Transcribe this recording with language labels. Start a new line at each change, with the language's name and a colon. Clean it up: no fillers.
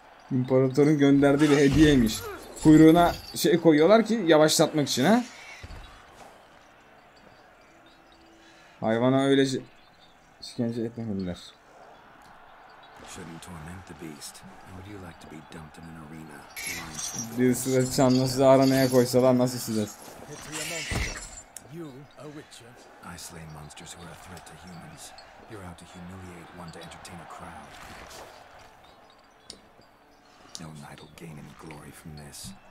Turkish: İmparatorun gönderdiği bir hediyeymiş. Kuyruğuna şey koyuyorlar ki yavaşlatmak için ha. Hayvana öyle işkence etmemeliler.
English: Shouldn't torment the beast. How would you like to be dumped in an arena?
Turkish: Bir sıra çanla sizi aranaya koysalar nasıl sizler?
English: You a witcher? I slay monsters who are a threat to humans. You're out to humiliate one to entertain a crowd. No knight will gain any glory from this.